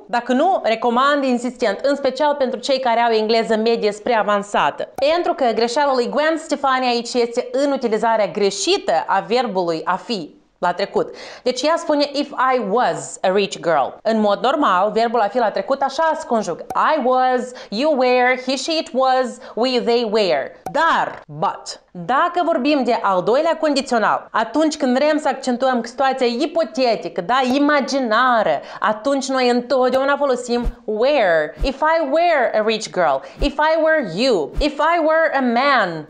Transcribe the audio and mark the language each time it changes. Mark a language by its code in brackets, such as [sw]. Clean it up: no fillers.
[ro] Dacă nu, recomand insistent, în special pentru cei care au engleză medie spre avansată. Pentru că greșeala lui Gwen Stefani aici este în utilizarea greșită a verbului a fi la trecut. Deci ea spune [en] if I was a rich girl. [ro] În mod normal, verbul a fi la trecut așa se conjugă. [en] I was, you were, he, she, it was, we, they were. [ro] Dar, but, dacă vorbim de al doilea condițional, atunci când vrem să accentuăm situația ipotetică, da, imaginară, atunci noi întotdeauna folosim were. [en] If I were a rich girl, if I were you, if I were a man.